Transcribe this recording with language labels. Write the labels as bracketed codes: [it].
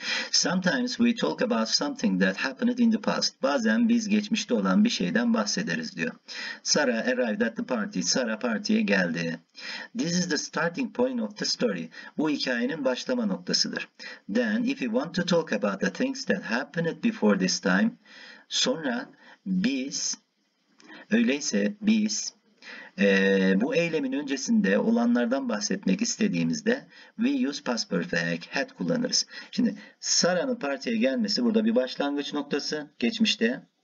[en] Sometimes we talk about something that happened in the past. [tr] Bazen biz geçmişte olan bir şeyden bahsederiz diyor. [en] Sarah arrived at the party. [tr] Sarah partiye geldi. [en] This is the starting point of the story. [tr] Bu hikayenin başlama noktasıdır. [en] Then if you want to talk about the things that happened before this time. [tr] Sonra biz, öyleyse biz, bu eylemin öncesinde olanlardan bahsetmek istediğimizde [en] we use past perfect [tr] had kullanırız. Şimdi Sara'nın partiye gelmesi burada bir başlangıç noktası geçmişte.